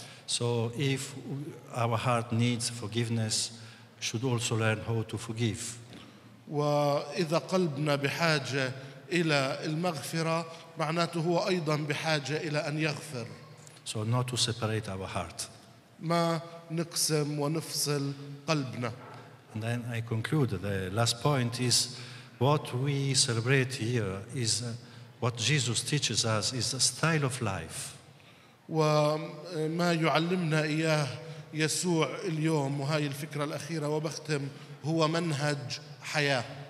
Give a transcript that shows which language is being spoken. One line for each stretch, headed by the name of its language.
English: So if our heart needs forgiveness, should also learn how to forgive.
Arabic: وإذا قلبنا بحاجة إلى المغفرة، معناته هو أيضا بحاجة إلى أن يغفر.
English: So not to separate our heart.
Arabic: ما نقسم ونفصل قلبنا.
English: And then I conclude. The last point is what we celebrate here is what Jesus teaches us is a style of life.
Arabic: وما يعلمنا إياه يسوع اليوم، وهي الفكرة الأخيرة وبختم، هو منهج حياة.